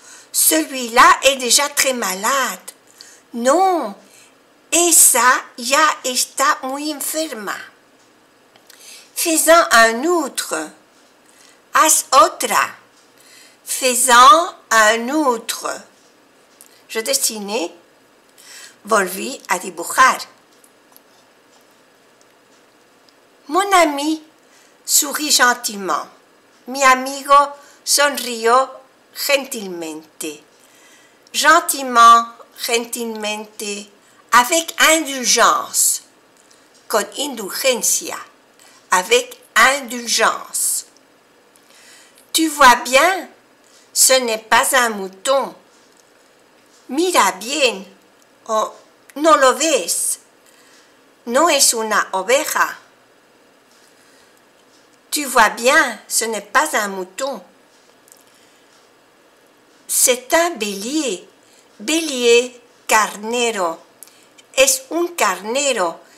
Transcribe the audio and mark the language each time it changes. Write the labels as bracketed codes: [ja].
[fr] Celui-là est déjà très malade. [es] Non, esa ya está muy enferma. [fr] Fais-en un autre. [es] Haz otra. [fr] Fais-en un autre. Je dessinai. [es] Volví a dibujar. [fr] Mon ami sourit gentiment. [es] Mi amigo sonrió gentilmente. [fr] Gentiment, gentilmente, avec indulgence, [es] con indulgencia, [fr] avec indulgence. Tu vois bien, ce n'est pas un mouton. [es] Mira bien, oh, no lo ves, no es una oveja. [fr] Tu vois bien, ce n'est pas un mouton. C'est un bélier. [es] Bélier, carnero. Es un carnero.